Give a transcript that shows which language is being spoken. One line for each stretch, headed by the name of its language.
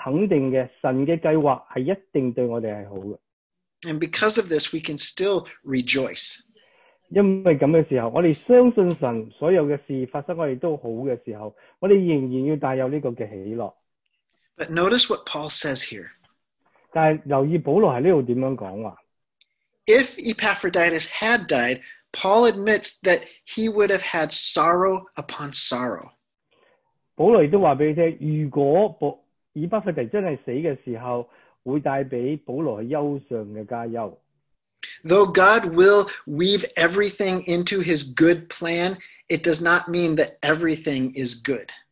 Chinese: 或者他的儿女未，神没医治到他的时候，但是我们要肯定的，神的计划是一定对我们是好的。
English: And because of this, we can still rejoice.
Chinese: 因为这样的时候，我们相信神所有的事发生，我们都好的时候，我们仍然要带有这个的喜乐。
English: But notice what Paul says here.
Chinese: 但留意保罗在这里怎么说话。
English: If Epaphroditus had died, Paul admits that he would have had sorrow upon sorrow.
Chinese: 保罗也都告诉你，如果以巴弗提真的死的时候， 会带给保罗忧伤的加忧。
English: Though God will weave everything into his good plan, it does not mean that everything is good.